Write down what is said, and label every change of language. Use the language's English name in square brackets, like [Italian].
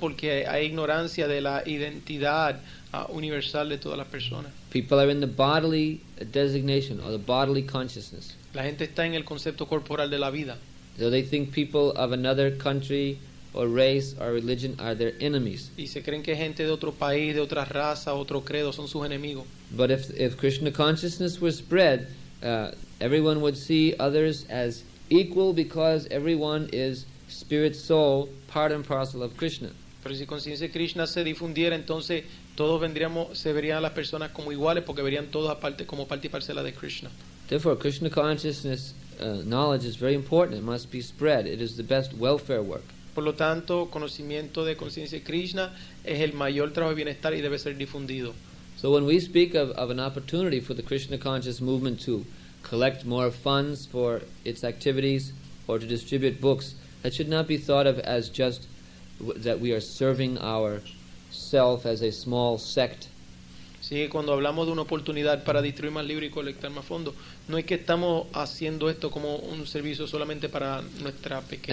[Spanish] Porque hay ignorancia de la identidad universal de todas las personas. [English] People are in the bodily designation or the bodily consciousness. [Spanish] La gente está en el concepto corporal de la vida. [English] So they think people of another country or race or religion are their enemies. [Spanish] Y se creen que gente de otro país, de otra raza, otro credo son sus enemigos. [English] But if Krishna consciousness were spread, everyone would see others as equal because everyone is spirit, soul, part and parcel of Krishna. [Spanish] Pero si conciencia de Krishna se difundiera, entonces todos vendríamos, se verían a las personas como iguales porque verían todos aparte como parte y parcela de Krishna. [English] Therefore, Krishna consciousness knowledge is very important. It must be spread. It is the best welfare work. [Spanish] Por lo tanto, conocimiento de conciencia de Krishna es el mayor trabajo de bienestar y debe ser difundido. [English] So when we speak of an opportunity for the Krishna conscious movement to collect more funds for its activities or to distribute books, that should not be thought of as just that we are serving ourself as a small sect. [Spanish] Sí, cuando hablamos de una oportunidad para distribuir más libros y colectar más fondos, no es que estamos haciendo esto como un servicio solamente para nuestra pequeña secta.